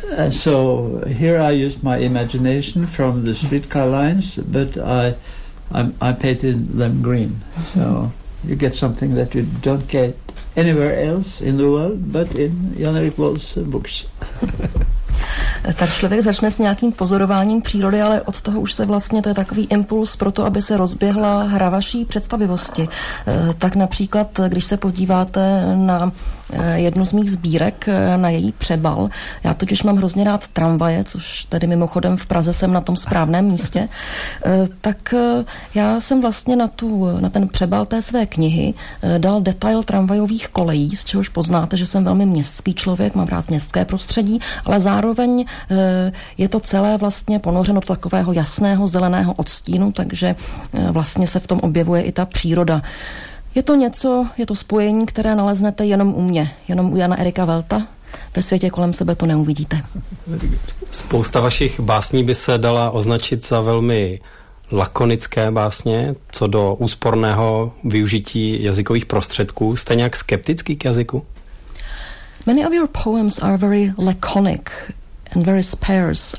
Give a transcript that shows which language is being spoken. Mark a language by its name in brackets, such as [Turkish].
[English] So here I used my imagination from the streetcar lines, but I painted them green. So you get something that you don't get anywhere else in the world, but in Jan Erik Wall's books. [Czech] Tak člověk začne s nějakým pozorováním přírody, ale od toho už se vlastně, to je takový impuls pro to, aby se rozběhla hra vaší představivosti. Tak například, když se podíváte na jednu z mých sbírek, na její přebal, já totiž mám hrozně rád tramvaje, což tedy mimochodem v Praze jsem na tom správném místě, tak já jsem vlastně na ten přebal té své knihy dal detail tramvajových kolejí, z čehož poznáte, že jsem velmi městský člověk, mám rád městské prostředí, ale zároveň je to celé vlastně ponořeno do takového jasného zeleného odstínu, takže vlastně se v tom objevuje i ta příroda. Je to něco, je to spojení, které naleznete jenom u mě, jenom u Jana Erika Velta. Ve světě kolem sebe to neuvidíte. Spousta vašich básní by se dala označit za velmi lakonické básně, co do úsporného využití jazykových prostředků. Jste nějak skeptický k jazyku? [English] Many of your poems are very laconic and very sparse.